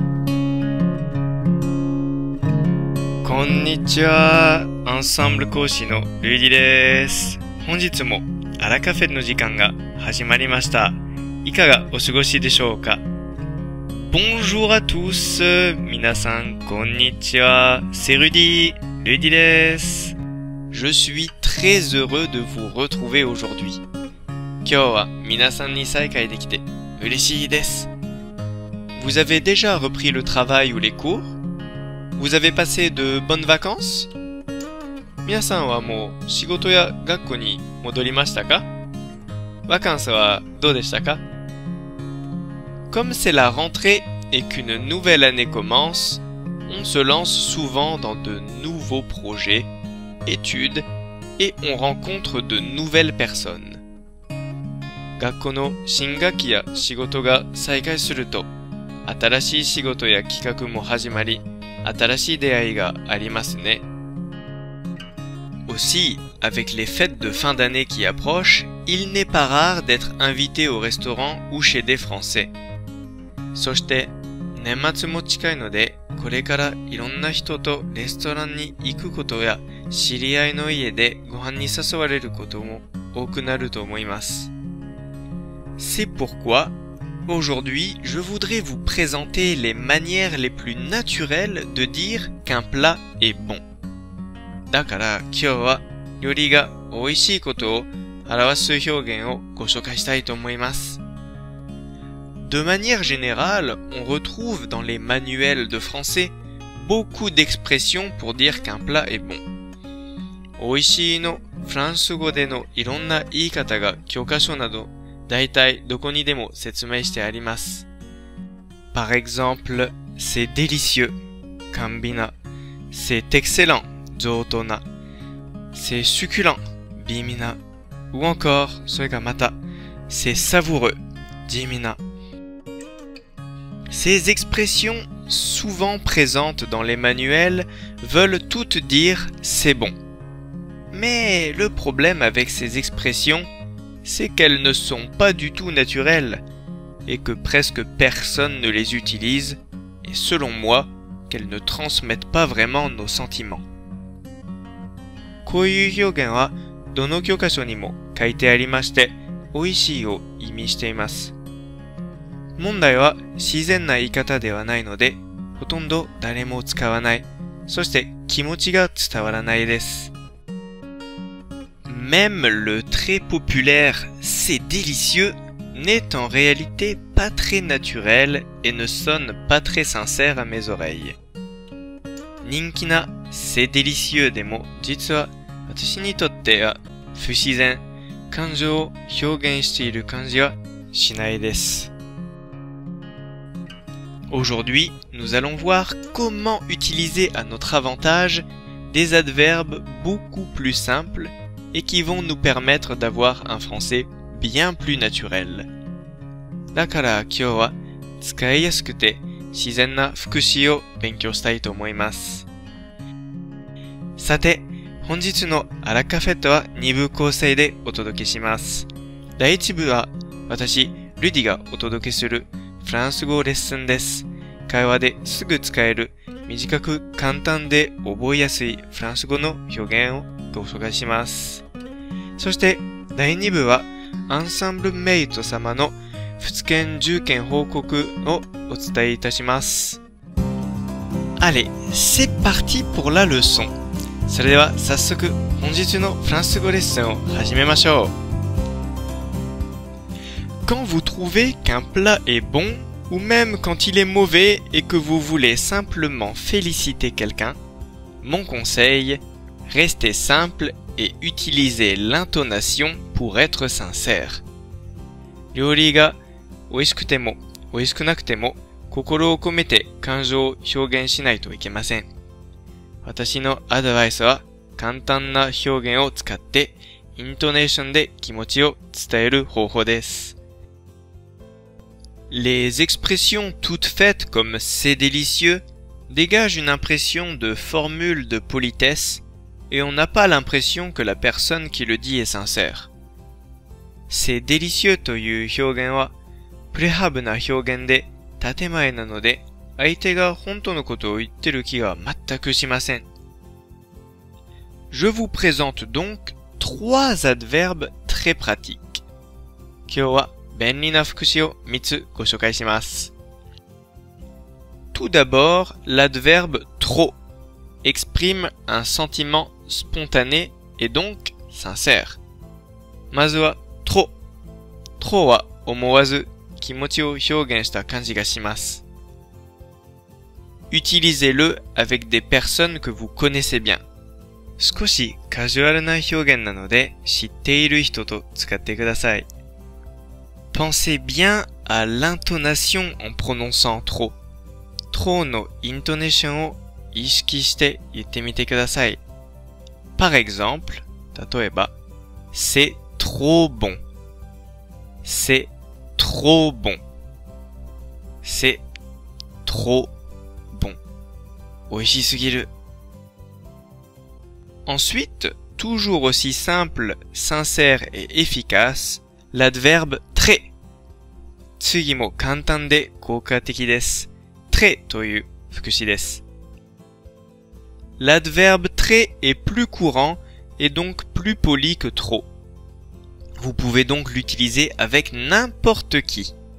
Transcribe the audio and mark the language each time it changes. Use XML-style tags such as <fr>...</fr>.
<ja>こんにちは、アンサンブル講師のルイディです。本日もアラカフェの時間が始まりました。いかがお過ごしでしょうか。</ja> <fr>Bonjour à tous、</fr> <ja>皆さんこんにちは。</ja> <fr>C'est Rudy、 ルイディです。 Je suis très heureux de vous retrouver aujourd'hui。</fr> <ja>今日は皆さんに再会できて嬉しいです。</ja> <fr>Vous avez déjà repris le travail ou les cours? Vous avez passé de bonnes vacances?</fr> <ja>皆さんはもう仕事や学校に戻りましたか? ワカンスはどうでしたか?</ja> <fr>Comme c'est la rentrée et qu'une nouvelle année commence, on se lance souvent dans de nouveaux projets, études et on rencontre de nouvelles personnes.</fr> <ja>学校の新学期や仕事が再開すると、新しい仕事や企画も始まり、新しい出会いがありますね。</ja> <fr>Aussi, avec les fêtes de fin d'année qui approchent, il n'est pas rare d'être invité au restaurant ou chez des Français.</fr> <ja>そして、年末も近いので、これからいろんな人とレストランに行くことや、知り合いの家でご飯に誘われることも多くなると思います。</ja> <fr>C'est pourquoi, aujourd'hui, je voudrais vous présenter les manières les plus naturelles de dire qu'un plat est bon.</fr> <ja>だから今日は料理が美味しいことを表す表現をご紹介したいと思います。</ja> <fr>De manière générale, on retrouve dans les manuels de français beaucoup d'expressions pour dire qu'un plat est bon.</fr> <ja>美味しいのフランス語でのいろんな言い方が教科書などだいたいどこにでも説明してあります。</ja> <fr>Par exemple, c'est délicieux, cambina. C'est excellent, zootona. C'est succulent, bimina. Ou encore,</fr> <ja>それがまた、</ja> <fr>c'est savoureux, dimina. Ces expressions, souvent présentes dans les manuels, veulent toutes dire c'est bon. Mais le problème avec ces expressions,c'est qu'elles ne sont pas du tout naturelles et que presque personne ne les utilise et selon moi, qu'elles ne transmettent pas vraiment nos sentiments.</fr> <ja>こういう表現はどの教科書にも書いてありまして、美味しいを意味しています。問題は自然な言い方ではないので、ほとんど誰も使わない。そして気持ちが伝わらないです。</ja> <fr>Même le très populaire « c'est délicieux » n'est en réalité pas très naturel et ne sonne pas très sincère à mes oreilles.</fr> <ja>人気な「c'est délicieux」でも実は私にとっては不自然、感情を表現している感じはしないです。</ja> <fr>Aujourd'hui, nous allons voir comment utiliser à notre avantage des adverbes beaucoup plus simples et qui vont nous permettre d'avoir un français bien plus naturel.</fr> <ja>だから今日は使いやすくて自然な副詞を勉強したいと思います。さて、本日のアラカフェットは2部構成でお届けします。第1部は私、ルディがお届けするフランス語レッスンです。会話ですぐ使える短く簡単で覚えやすいフランス語の表現をご紹介します。そして、第2部は、アンサンブルメイト様の仏研受験報告をお伝えいたします。</ja> <fr>Allez, c'est parti pour la leçon.</fr> <ja>それでは早速本日のフランス語レッスンを始めましょう。</ja> <fr>Quand vous trouvez qu'un plat est bon, ou même quand il est mauvais et que vous voulez simplement féliciter quelqu'un, mon conseil, restez simple et utilisez l'intonation pour être sincère.</fr> <ja>料理が美味しくても美味しくなくても心を込めて感情を表現しないといけません。私のアドバイスは簡単な表現を使ってイントネーションで気持ちを伝える方法です。</ja> <fr>Les expressions toutes faites comme « c'est délicieux » dégagent une impression de formule de politesse et on n'a pas l'impression que la personne qui le dit est sincère.</fr> <ja>« C'est délicieux » という表現はプレハブな表現で建前なので相手が本当のことを言ってる気は全くしません。</ja> <fr>Je vous présente donc trois adverbes très pratiques.</fr> <ja>今日は便利な副詞を3つご紹介します。</ja> <fr>Tout d'abord, l'adverbe trop exprime un sentiment spontané et donc sincère.</fr> <ja>まずは trop。 trop は思わず気持ちを表現した感じがします。</ja> <fr>Utilisez-le avec des personnes que vous connaissez bien.</fr> <ja>少しカジュアルな表現なので知っている人と使ってください。</ja> <fr>Pensez bien à l'intonation en prononçant trop.</fr> <ja>Trop の intonation を意識して言ってみてください。</ja> <fr>Par exemple,</fr> <ja>例えば、</ja> <fr>c'est trop bon. C'est trop bon. C'est trop bon.</fr> <ja>美味しすぎる。</ja> <fr>Ensuite, toujours aussi simple, sincère et efficace, l'adverbe très.</fr> <ja>次も簡単で効果的です。très という副詞です。</ja> <fr>L'adverbe très est plus courant et donc plus poli que trop. Vous pouvez donc l'utiliser avec n'importe qui.</fr>